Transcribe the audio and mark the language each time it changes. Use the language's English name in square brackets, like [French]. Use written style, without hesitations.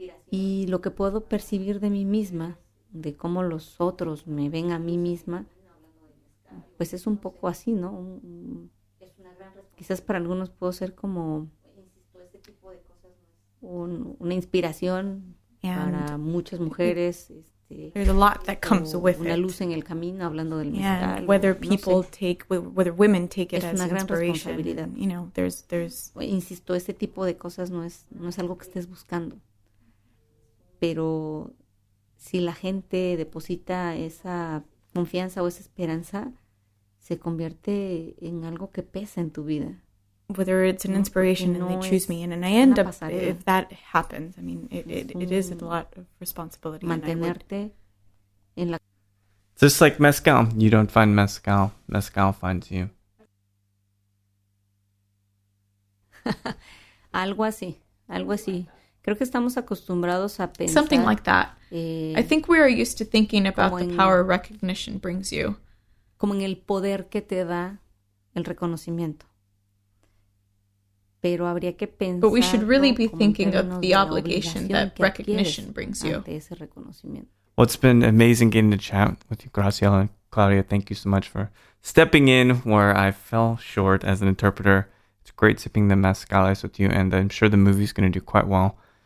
[Spanish] Y lo que puedo percibir de mí misma, de cómo los otros me ven a mí misma, pues es un poco así, ¿no? Quizás para algunos puedo ser como una inspiración para muchas mujeres. [English] There's a lot that comes with it. [Spanish] Una luz en el camino, hablando del musical. [English] And whether people take, whether women take it as inspiration. You know, there's... [Spanish] Insisto, este tipo de cosas no es algo que estés buscando. Pero si la gente deposita esa confianza o esa esperanza, se convierte en algo que pesa en tu vida. [English] Whether it's an inspiration and they choose me, and I end up, if that happens, I mean, it is a lot of responsibility. [Spanish] Mantenerte en la... [English] Just like mezcal, you don't find mezcal, mezcal finds you. [Spanish] algo así. Creo que estamos acostumbrados a pensar, [English] something like that. I think we are used to thinking about the power recognition brings you. [Spanish] Como en el poder que te da el reconocimiento. Pero habría que pensar, [English] but we should really be thinking of the obligation that recognition brings you. [Spanish] Ante ese reconocimiento. [English] Well, it's been amazing getting to chat with you, Graciela and Claudia. Thank you so much for stepping in where I fell short as an interpreter. It's great sipping the mezcales with you, and I'm sure the movie's going to do quite well.